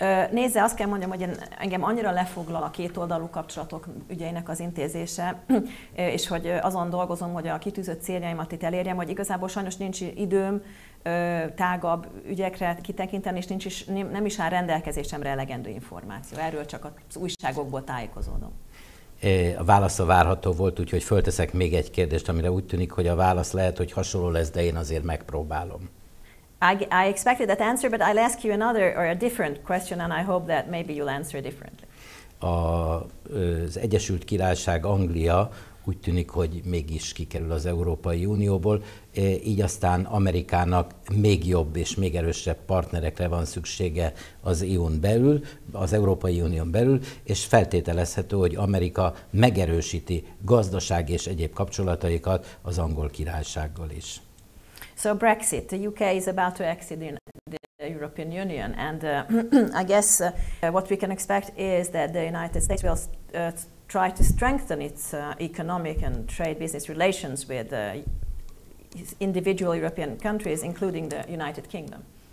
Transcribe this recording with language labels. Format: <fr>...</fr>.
<hu>Nézze, azt kell mondjam, hogy engem annyira lefoglal a kétoldalú kapcsolatok ügyeinek az intézése, és hogy azon dolgozom, hogy a kitűzött céljaimat itt elérjem, hogy igazából sajnos nincs időm tágabb ügyekre kitekinteni, és nem is áll rendelkezésemre elegendő információ. Erről csak az újságokból tájékozódom. A válasz a várható volt, úgyhogy fölteszek még egy kérdést, amire úgy tűnik, hogy a válasz lehet, hogy hasonló lesz, de én azért megpróbálom.</hu> <en>I expected that answer, but I'll ask you another or a different question, and I hope that maybe you'll answer differently.</en> <hu>Az Egyesült Királyság, Anglia úgy tűnik, hogy mégis kikerül az Európai Unióból, így aztán Amerikának még jobb és még erősebb partnerekre van szüksége az EU-n belül, az Európai Unión belül, és feltételezhető, hogy Amerika megerősíti gazdasági és egyéb kapcsolataikat az Angol Királysággal is.</hu> <en>So Brexit, the UK is about to exit the European Union, and I guess what we can expect is that the United States will try to strengthen its economic and trade business relations with individual European countries, including the United Kingdom.</en>